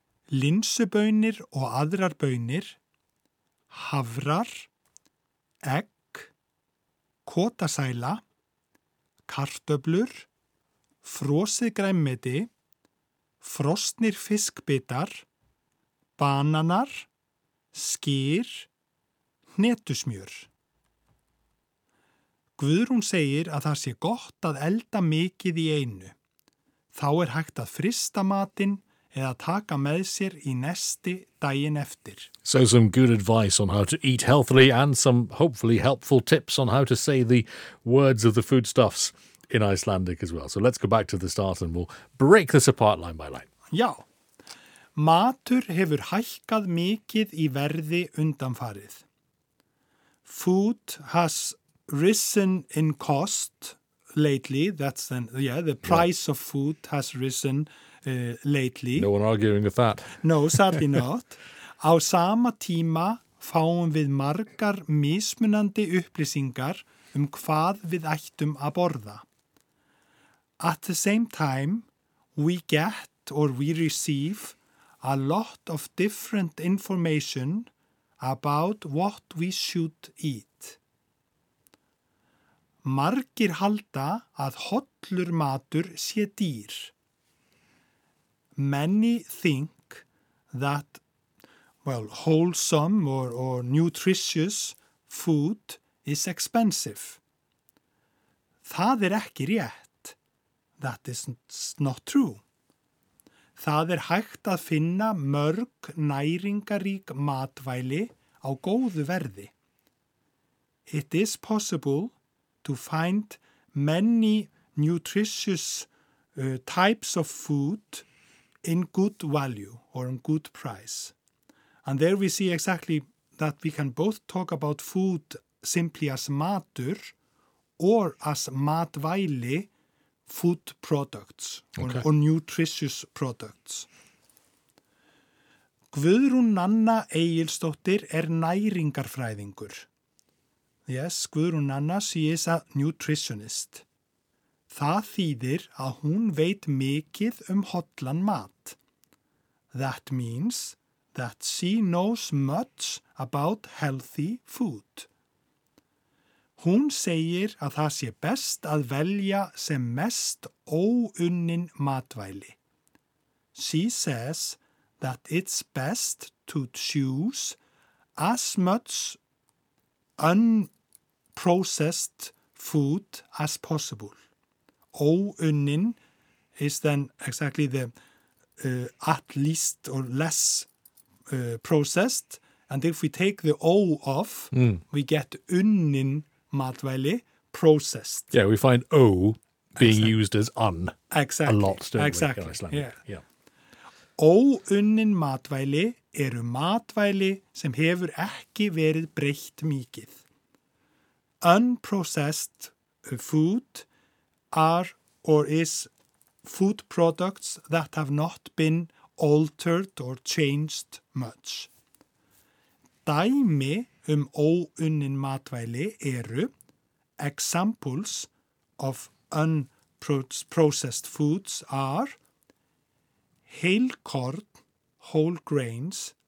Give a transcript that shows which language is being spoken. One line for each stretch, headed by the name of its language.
Icelandic: Linsubaunir og aðrar baunir, hafrar, egg, kotasæla, kartöflur, frosið grænmeti, frosnir fiskbitar, bananar, skyr, hnetusmjör. Guðrún segir að það sé gott að elda mikið í einu. Þá hægt að frista matinn eða taka með sér í nesti daginn eftir.
English: So some good advice on how to eat healthily and some hopefully helpful tips on how to say the words of the foodstuffs in Icelandic as well. So let's go back to the start and we'll break this apart line by line.
Icelandic: Já, matur hefur hækkað mikið í verði undanfarið.
English: Food has risen in cost lately, that's then, yeah, the price of food has risen lately. No one arguing with that. No, sadly not.
Icelandic: Á sama tíma fáum við margar mismunandi upplýsingar hvað við ættum að borða.
English: At the same time, we get or we receive a lot of different information about what we should eat.
Icelandic: Margir halda að hollur matur sé dýr.
English: Many think that, well, wholesome or nutritious food is expensive. Það ekki rétt. That is not true.
Icelandic: Það hægt að finna mörg næringarík matvæli á góðu verði.
English: It is possible to find many nutritious types of food in good value or in good price. And there we see exactly that we can both talk about food simply as matur or as matvæli, food products or nutritious products.
Icelandic: Guðrún Nanna Egilsdóttir næringarfræðingur.
English: Yes, Guðrún Nanna, she is a nutritionist.
Icelandic: Það þýðir að hún veit mikið hollan mat.
English: That means that she knows much about healthy food.
Icelandic: Hún segir að það sé best að velja sem mest óunnin matvæli.
English: She says that it's best to choose as much unprocessed food as possible. Óunnin is then exactly the at least or less processed. And if we take the O off, we get unnin matvæli, processed. Yeah, we find O being used as un exactly. a lot, don't exactly. we, in Icelandic. Yeah.
Icelandic: Óunnin matvæli eru matvæli sem hefur ekki verið breytt mikið.
English: Unprocessed food are or is food products that have not been altered or changed much. Dæmi óunnin matvæli eru examples of unprocessed foods are whole corn, whole grains.